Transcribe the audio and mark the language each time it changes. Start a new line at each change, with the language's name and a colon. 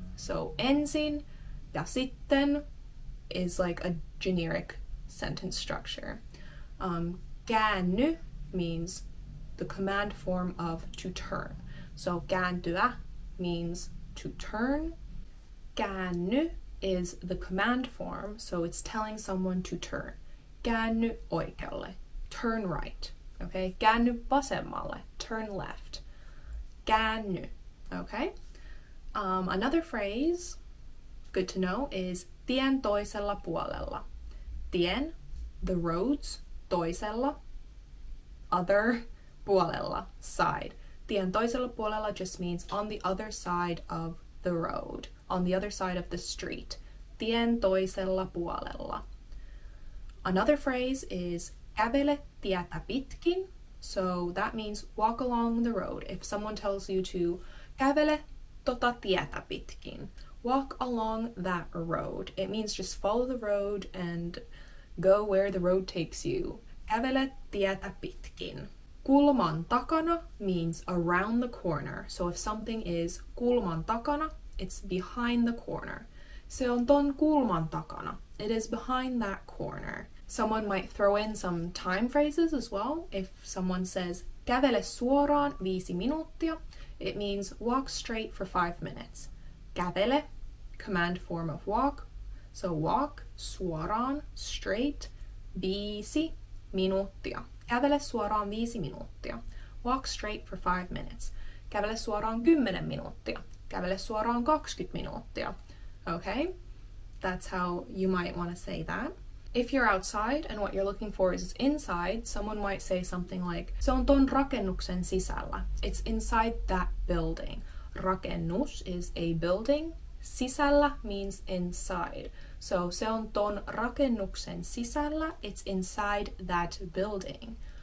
English: So
Finnish: ensin, ja sitten
English: is like a generic sentence structure. Käänny means the command form of to turn. So kääntyä means to turn. Käänny is the command form, so it's telling someone to turn.
Finnish: Käänny oikealle,
English: turn right. Okay,
Finnish: käänny vasemmalle,
English: turn left. Käänny, okay? Another phrase, good to know, is
Finnish: tien toisella puolella.
English: Tien, the roads, toisella, other, puolella, side.
Finnish: Tien toisella puolella
English: just means on the other side of the road, on the other side of the street.
Finnish: Tien toisella puolella.
English: Another phrase is
Finnish: kävele tietä pitkin.
English: So that means walk along the road. If someone tells you to
Finnish: kävele tota tietä pitkin,
English: walk along that road, it means just follow the road and go where the road takes you.
Finnish: Kävele tietä pitkin. Kulman takana
English: means around the corner. So if something is
Finnish: kulman takana,
English: it's behind the corner.
Finnish: Se on ton kulman takana.
English: It is behind that corner. Someone might throw in some time phrases as well. If someone says
Finnish: kävele suoraan 5 minuuttia,
English: it means walk straight for 5 minutes. Kävele, command form of walk. So walk suoraan, straight, 5 minuuttia.
Finnish: Kävele suoraan 5 minuuttia.
English: Walk straight for 5 minutes.
Finnish: Kävele suoraan 10 minuuttia. Kävele suoraan 20 minuuttia.
English: Okay? That's how you might want to say that. If you're outside and what you're looking for is inside, someone might say something like
Finnish: se on ton rakennuksen sisällä.
English: It's inside that building. Rakennus is a building. Sisällä means inside. So
Finnish: se on ton rakennuksen sisällä,
English: it's inside that building.